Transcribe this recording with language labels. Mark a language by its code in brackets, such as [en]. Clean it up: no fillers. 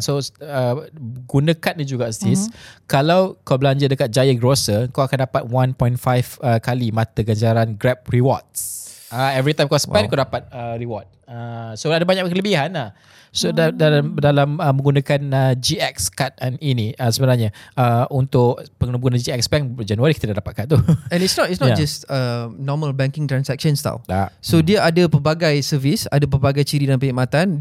[ms] So guna kad ni juga sis. Kalau kau belanja dekat Jaya Grocer, kau akan dapat 1.5 kali mata ganjaran Grab Rewards. [en] Every time kau spend, [ms] kau dapat [en] reward. [ms] So ada banyak kelebihan lah. So dalam menggunakan GX card ini sebenarnya, untuk pengguna GX Bank Januari kita dah dapat card tu. [en] And it's not just normal banking transactions tau. [ms] Tak. So dia ada pelbagai servis, ada pelbagai ciri dan perkhidmatan.